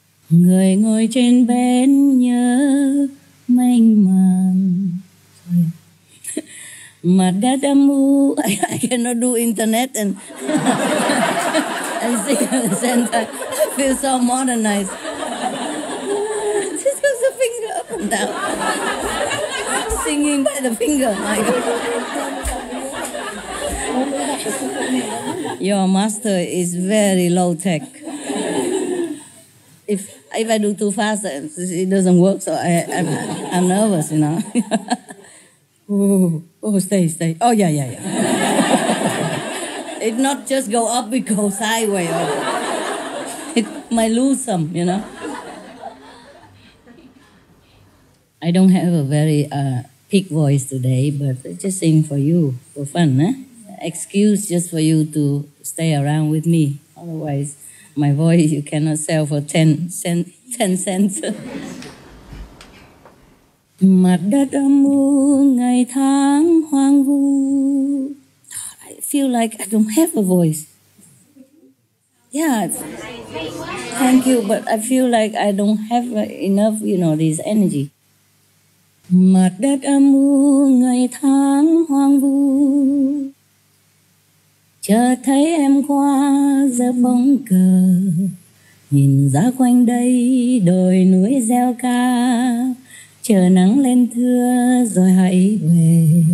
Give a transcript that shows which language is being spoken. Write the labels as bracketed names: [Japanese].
[Vietnamese] Người ngồi trên bến nhớ mênh màng. Mặt đã đâm u. [English] I cannot do internet and and sing at the same time. I feel so modernized. Just goes the finger up and down. Singing by the finger. My God. Your master is very low tech. If I do too fast, it doesn't work, so I'm nervous, you know. Oh, stay. Oh, yeah. It not just go up, it goes sideways. It might lose some, you know. I don't have a very peak voice today, but I just sing for you, for fun, eh? Excuse just for you to stay around with me. Otherwise, my voice you cannot sell for 10 cents. [Vietnamese] Mặt đất âm u, ngày tháng hoang vu. [English] I feel like I don't have a voice. Yeah, thank you, but I feel like I don't have enough, you know, this energy. [Vietnamese] Mặt đất âm u, ngày tháng hoang vu. Chợt thấy em qua giữa bóng cờ. Nhìn ra quanh đây, đồi núi reo ca. Chờ nắng lên thưa, rồi hãy về.